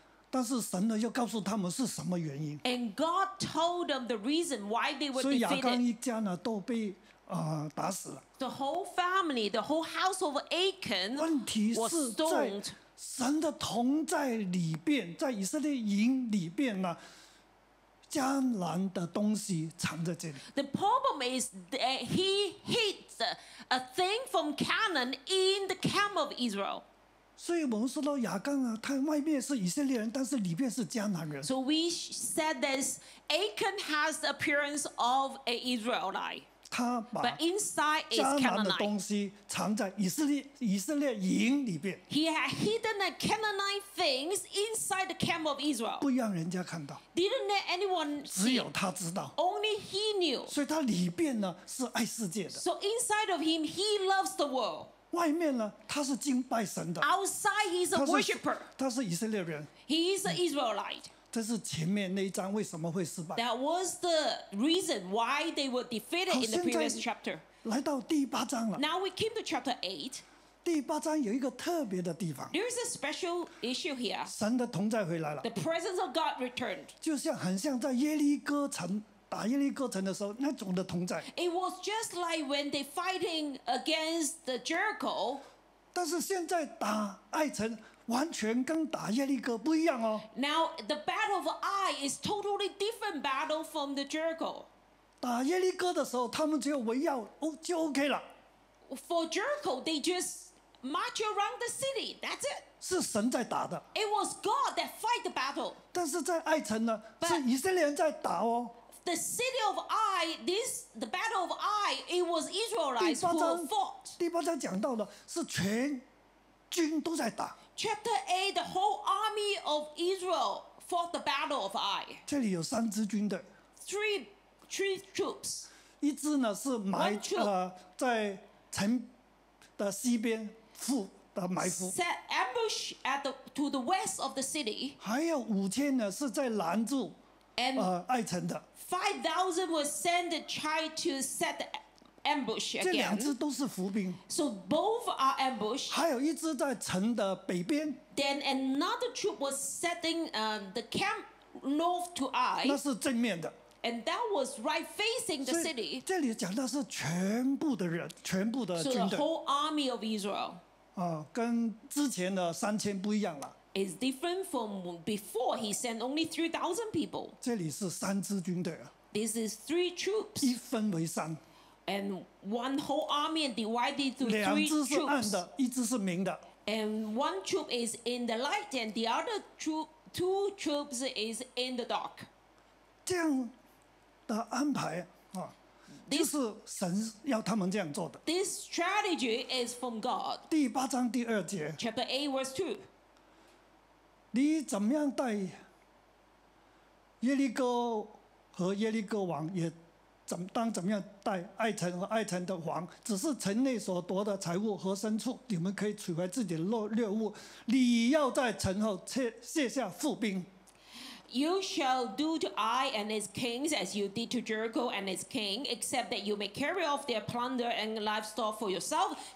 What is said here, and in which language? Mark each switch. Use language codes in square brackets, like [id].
[zh] 但是神呢又告诉他们是什么原因。 [en] And God told them the reason why they were defeated. [zh] 所以亚干一家呢都被打死了。 [en] The whole family, the whole house of Achan was stoned. [zh] 问题是在神的同在里边，在以色列营里边呢。迦南的东西藏在这里。 [en] The problem is that he hid a thing from Canaan in the camp of Israel. [zh] 所以我们说到亚干啊，他外面是以色列人，但是里面是迦南人。 [en] So we said that Achan has the appearance of an Israelite. [zh] 他把 [en] but inside is [zh] 迦南的东西藏在以色列营里边。 [en] He had hidden a Canaanite things inside the camp of Israel. [zh] 不让人家看到。 [en] Didn't let anyone see. [zh] 只有他知道。 [en] Only he knew. [zh] 所以他里边呢是爱世界的。 [en] So inside of him, he loves the world. [zh] 外面呢他是敬拜神的。 [en] Outside, he's a worshipper. [zh] 他是以色列人。 [en] He is an Israelite. [zh] 这是前面那一章为什么会失败 [en] ？That was the reason why they were defeated in the previous chapter. [zh] 来到第八章了。 [en] Now we came to chapter 8. [zh] 第八章有一个特别的地方。 [en] There is a special issue here. [zh] 神的同在回来了。 [en] The presence of God returned. [zh] 就像很像在耶利哥城打耶利哥城的时候那种的同在。 [en] It was just like when they fighting against the Jericho. [zh] 但是现在打爱城。完全跟打耶利哥不一样哦。 [en] Now the battle of Ai is totally different battle from the Jericho. [zh] 打耶利哥的时候，他们只有围绕，就 OK 了。 [en] For Jericho, they just march around the city. That's it. [zh] 是神在打的。 [en] It was God that fight the battle. [zh] 但是在爱城呢，是以色列人在打哦。 [en] The city of Ai, this the battle of Ai, it was Israelites who fought. [zh] 第八章讲到的是全军都在打。 [en] Chapter 8, the whole army of Israel fought the battle of Ai. [zh] 这里有三支军队。 [en] Three troops. [zh] 一支呢是埋在城的西边伏的埋伏。 [en] Set ambush at the to the west of the city. [zh] 还有五千呢是在拦住爱城的。 [en] 5,000 were sent to try to set the ambush again. [zh] 这两支都是伏兵。 [en] So both are ambush. [zh] 还有一支在城的北边。 [en] Then another troop was setting the camp north to Ai. [zh] 那是正面的。 [en] And that was right facing the city. [zh] 这里讲到是全部的人，全部的军队。 [en] So the whole army of Israel. [zh] 跟之前的三千不一样了。 [en] Is different from before. He sent only 3,000 people. [zh] 这里是三支军队啊。 [en] This is three troops. [zh] 一分为三。 [en] And one whole army and divided into three troops. [zh] 两支是暗的，一支是明的。 [en] And one troop is in the light, and the other two troops is in the dark. [zh] 这样的安排啊，就是神要他们这样做的。 [en] This strategy is from God. [zh] 第八章第二节。 [en] Chapter 8, verse 2. [zh] 你怎么样带耶利哥和耶利哥王，也怎么样带爱城和爱城的王？只是城内所夺的财物和牲畜，你们可以取回自己的掠物。你要在城后卸下伏兵。 [en] You shall do to Ai and its kings as you did to Jericho and its king, except that you may carry off their plunder and livestock for yourself.